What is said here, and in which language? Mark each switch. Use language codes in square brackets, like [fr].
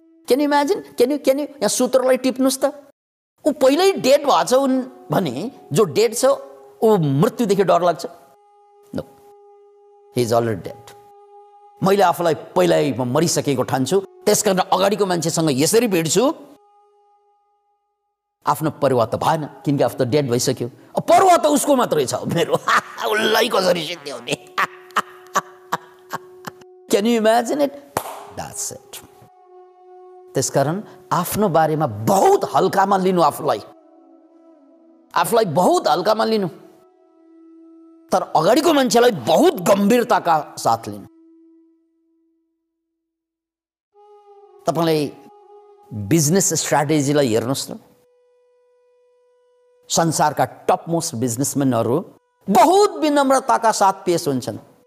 [en] can you imagine, [ne] can you यहाँ सूत्रलाई टिप्नुहोस् त, ऊ पहिल्यै डेड भएको छ भने जो डेड छ ऊ मृत्युदेखि डर लाग्छ, [en] No, he is already dead. [ne] मैले आफूलाई पहिल्यै म मरिसकेको ठान्छु, त्यसकारण अगाडिको मान्छेसँग यसरी भिड्छु, आफ्नो परिवार त भएन किनकि आफू त डेड भइसक्यो, परुवा त उसको मात्रै छ मेरो, उसलाई कसरी सिद्ध्याउने। [en] Can you imagine it, that's it. [ne] त्यसकारण आफ्नो बारेमा बहुत हल्कामा लिनु, आफूलाई बहुत हल्कामा लिनु, तर अगाडिको मान्छेलाई बहुत गम्भीरताका साथ लिनु। तपाईँलाई बिजनेस स्ट्राटेजीलाई हेर्नुहोस् न, संसारका टप मोस्ट बिजनेसम्यानहरू बहुत विनम्रताका साथ पेस हुन्छन्।